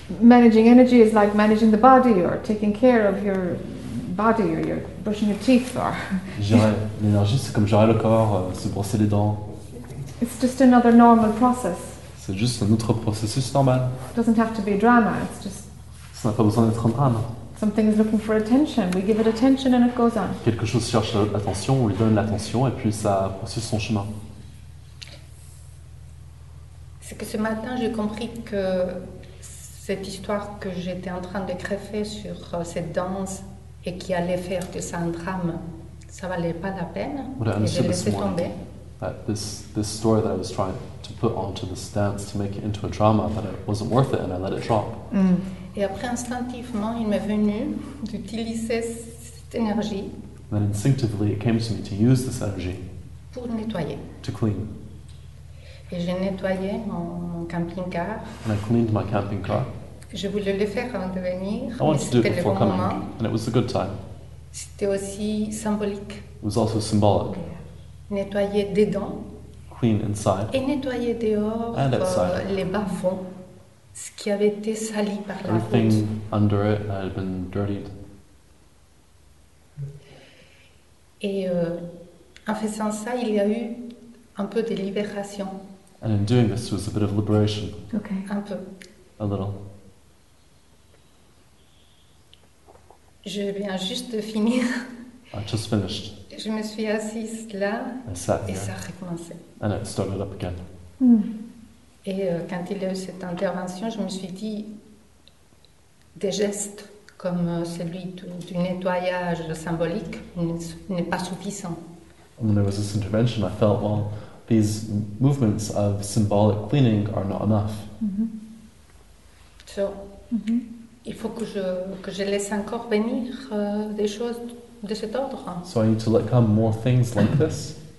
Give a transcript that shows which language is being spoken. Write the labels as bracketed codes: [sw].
[en] Managing energy is like managing the body or taking care of your. Body, or you're brushing your teeth, or. [fr] Gérer l'énergie, c'est comme gérer le corps, se brosser les dents. [en] It's just another normal process. [fr] C'est juste un autre processus normal. [en] It doesn't have to be a drama. It's just. [fr] Ça n'a pas besoin d'être un drame. [en] Something is looking for attention. We give it attention, and it goes on. [fr] Quelque chose cherche l'attention. On lui donne l'attention, et puis ça poursuit son chemin. C'est que ce matin, j'ai compris que cette histoire que j'étais en train de greffer sur cette danse. Et qui allait faire de ça un drame, ça valait pas la peine. [en] What I understood this morning, that this story that I was trying to put onto this dance to make it into a drama, that it wasn't worth it, and I let it drop. [fr] Et après instinctivement, il m'est venu d'utiliser cette énergie. [en] Then instinctively, it came to me to use this energy. [fr] Pour nettoyer. [en] To clean. [fr] Et j'ai nettoyé mon camping-car. [en] And I cleaned my camping car. [fr] Je voulais le faire avant de venir, [en] I wanted [fr] mais [en] to do it before [fr] bon [en] coming, [fr] moment. [en] And it was a good time. [fr] C'était aussi symbolique. [en] It was also symbolic. [fr] Nettoyer dedans. [en] clean inside. [fr] Et nettoyer dehors [en] and outside. [fr] Les bas-fonds, ce qui avait été sali par la route. [en] Everything under it had been dirtied. [fr] Et en faisant ça, il y a eu un peu de libération. [en] And in doing this, there was a bit of liberation. Okay. [fr] Un peu. [en] A little. [fr] Je viens juste de finir. [en] I just finished. [fr] Je me suis assise là et ça a recommencé. [en] And it started up again. Mm. [fr] Et quand il y a eu cette intervention, je me suis dit des gestes comme celui du nettoyage symbolique n'est pas suffisant. [en] And when there was this intervention, I felt, well, these movements of symbolic cleaning are not enough. Mm-hmm. So, mm-hmm. [fr] Il faut que je laisse encore venir des choses de cet ordre. [en] So I need to let come more things like this.